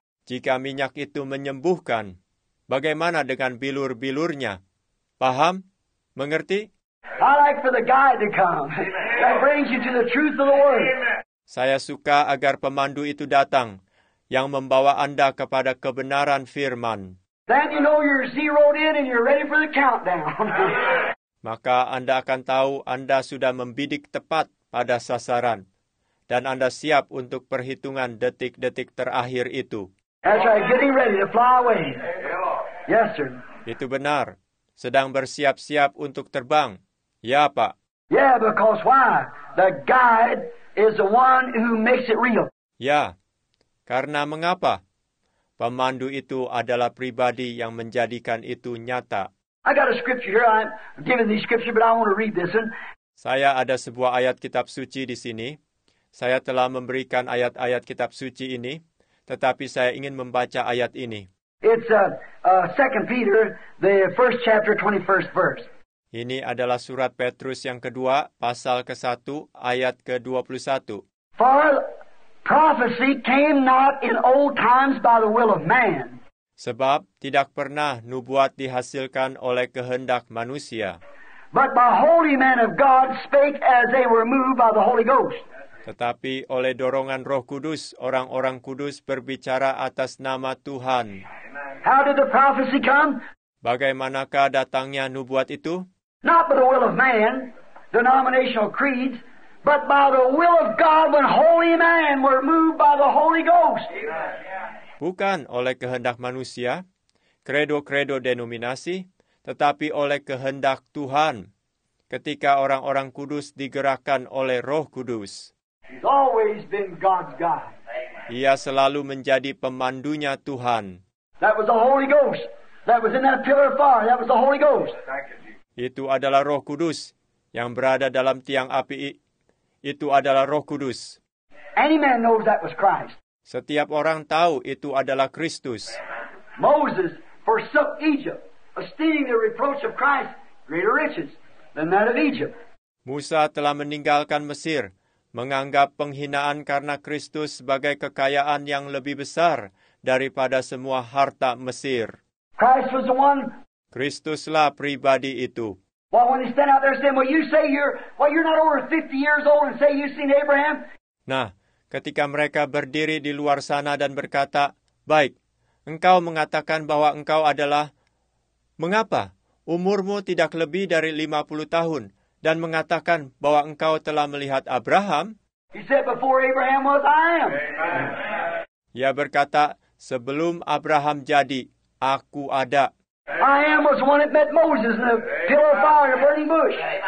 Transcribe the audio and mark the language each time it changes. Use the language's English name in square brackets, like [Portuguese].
[Indonesian] Jika minyak itu menyembuhkan, bagaimana dengan bilur-bilurnya? Paham? Mengerti? [English] I like for the guide to come. That brings you to the truth of the word. [Indonesian] Saya suka agar pemandu itu datang yang membawa Anda kepada kebenaran firman. [English] Then you know you're zeroed in and you're ready for the countdown. [Indonesian] Maka Anda akan tahu Anda sudah membidik tepat pada sasaran dan Anda siap untuk perhitungan detik-detik terakhir itu. [English] That's right, getting ready to fly away. Yes, sir. [Indonesian] Itu benar. Sedang bersiap-siap untuk terbang. Ya, Pak. [English] Yeah, because why? The guide is the one who makes it real. [Indonesian] Ya. Karena mengapa? Pemandu itu adalah pribadi yang menjadikan itu nyata. [English] I got a scripture here. I'm giving these scripture, but I want to read this one. [Indonesian] Saya ada sebuah ayat kitab suci di sini. Saya telah memberikan ayat-ayat kitab suci ini, tetapi saya ingin membaca ayat ini. [English] It's 2 Peter, the first chapter, 21st verse. [Indonesian] Ini adalah surat Petrus yang kedua, pasal ke-1, ayat ke-21. [English] For prophecy came not in old times by the will of man. [Indonesian] Sebab tidak pernah nubuat dihasilkan oleh kehendak manusia. [English] But by holy men of God spake as they were moved by the Holy Ghost. [Indonesian] Tetapi oleh dorongan Roh Kudus, orang-orang kudus berbicara atas nama Tuhan. [English] How did the prophecy come? [Indonesian] Bagaimanakah datangnya nubuat itu? [English] Not by the will of man, denominational creeds, but by the will of God when holy men were moved by the Holy Ghost. [Indonesian] Bukan oleh kehendak manusia, kredo-kredo denominasi, tetapi oleh kehendak Tuhan, ketika orang-orang kudus digerakkan oleh Roh Kudus. [English] He's always been God's God. [Indonesian] Ia selalu menjadi pemandunya Tuhan. [English] That was the Holy Ghost. That was in that pillar of fire. That was the Holy Ghost. [Indonesian] Itu adalah Roh Kudus yang berada dalam tiang api. Itu adalah Roh Kudus. [English] Any man knows that was Christ. [Indonesian] Setiap orang tahu itu adalah Kristus. [English] Moses forsook Egypt, esteeming the reproach of Christ greater riches than that of Egypt. [Indonesian] Musa telah meninggalkan Mesir, menganggap penghinaan karena Kristus sebagai kekayaan yang lebih besar daripada semua harta Mesir. [English] Christ was the one. [Indonesian] Kristuslah pribadi itu. [English] Well, when they stand out there saying, "Well, you say you're not over 50 years old and say you've seen Abraham." [Indonesian] Nah, ketika mereka berdiri di luar sana dan berkata, "Baik, engkau mengatakan bahwa engkau adalah mengapa? Umurmu tidak lebih dari 50 tahun dan mengatakan bahwa engkau telah melihat Abraham?" [English] He said, "Before Abraham was, I am." [Indonesian] Ia berkata, "Sebelum Abraham jadi, aku ada." [English] I am was the one that met Moses in the pillar of fire, the burning bush.